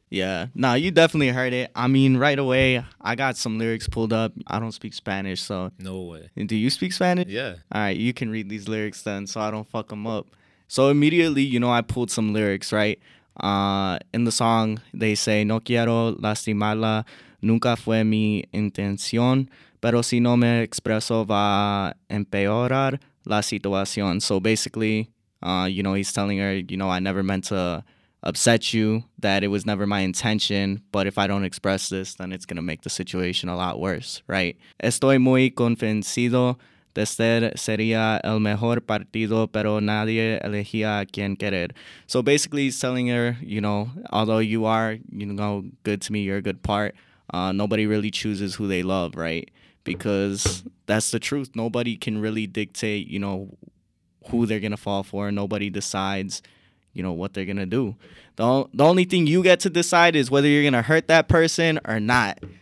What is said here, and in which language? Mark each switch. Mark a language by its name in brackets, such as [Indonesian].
[English] Yeah. No, you definitely heard it. I mean, right away, I got some lyrics pulled up. I don't speak Spanish, so. No way. And do you speak Spanish? Yeah. All right, you can read these lyrics then, so I don't fuck them up. So immediately, you know, I pulled some lyrics, right? In the song, they say, [Spanish] No quiero lastimarla. Nunca fue mi intención, pero si no me expreso va empeorar la situación. [English] So basically, you know, he's telling her, you know, I never meant to upset you, that it was never my intention, but if I don't express this, then it's going to make the situation a lot worse, right? [Spanish] Estoy muy convencido de ser sería el mejor partido, pero nadie elegía quien querer. [English] So basically, he's telling her, you know, although you are, you know, good to me, you're a good part, nobody really chooses who they love, right? Because that's the truth. Nobody can really dictate, you know, who they're going to fall for. Nobody decides, you know, what they're going to do. The only thing you get to decide is whether you're going to hurt that person or not.